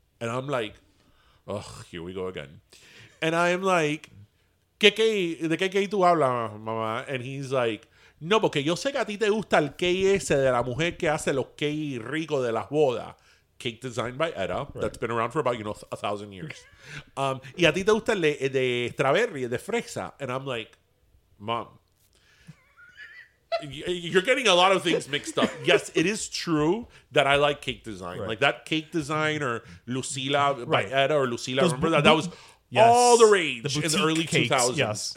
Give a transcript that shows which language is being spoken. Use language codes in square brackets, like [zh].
[en] And I'm like, oh, here we go again. And I'm like, [es] ¿De qué tú hablas, mamá? [en] And he's like, no, [es] porque yo sé que a ti te gusta el cake ese de la mujer que hace los cake ricos de las bodas. [en] Cake designed by Etta. Right. That's been around for about, you know, 1,000 years. [es] Y a ti te gusta el de strawberry, de fresa. [en] And I'm like, Mom, you're getting a lot of things mixed up. Yes, it is true that I like cake design. Right. Like that cake design or Lucila by Etta or Lucila. Remember that? That was all the rage in the early 2000s. Yes.